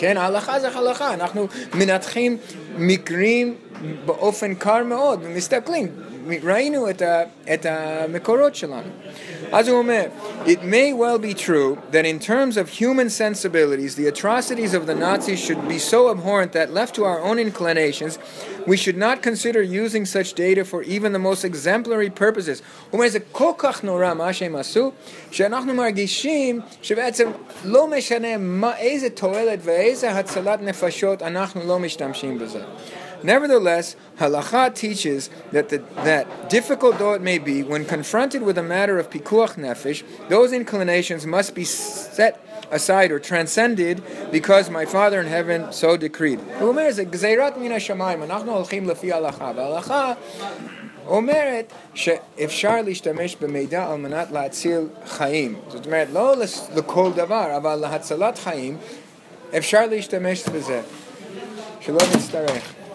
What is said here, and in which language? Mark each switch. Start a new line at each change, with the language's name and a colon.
Hebrew: כן, ההלכה זה הלכה, אנחנו מנתחים מקרים באופן קר מאוד ומסתכלים. ראינו את המקורות שלנו. אז הוא אומר,
English: it may well be true that in terms of human sensibilities, the atrocities of the Nazis should be so abhorrent that left to our own inclinations, we should not consider using such data for even the most exemplary purposes.
Hebrew: הוא אומר, זה כל כך נורא מה שהם עשו, שאנחנו מרגישים שבעצם לא משנה איזה תועלת ואיזה הצלת נפשות אנחנו לא משתמשים בזה.
English: Nevertheless, halakha teaches that difficult though it may be, when confronted with a matter of pikuach nefesh, those inclinations must be set aside or transcended because my Father in heaven so decreed. He says,
Hebrew: "Gzeirat min ha-shamayim, anachnu holchim lefi halakha." Halakha אומרת שאפשר להשתמש במידע על מנת להציל חיים. זאת אומרת, לא לכל דבר, אבל להצלת חיים, אפשר להשתמש בזה. שלא נצטרך.